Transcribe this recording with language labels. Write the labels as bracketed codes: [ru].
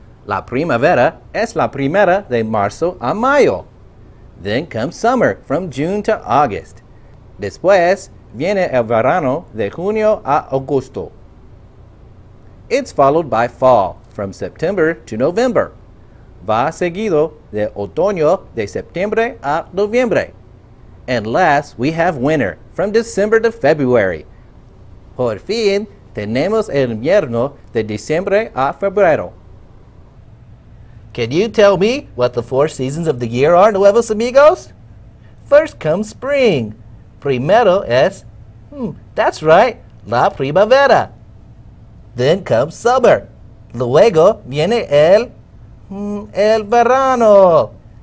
[es] La primavera es la primera de marzo a mayo. [en] Then comes summer, from June to August. [es] Después viene el verano de junio a agosto. [en] It's followed by fall, from September to November. [es] Va seguido de otoño de septiembre a noviembre. [en] And last, we have winter, from December to February. [es] Por fin, tenemos el invierno de diciembre a febrero. [en] Can you tell me what the four seasons of the year are, Nuevos Amigos? First comes spring. [es] Primero es, [en] that's right, [es] la primavera. [en] Then comes summer. [es] Luego viene el verano.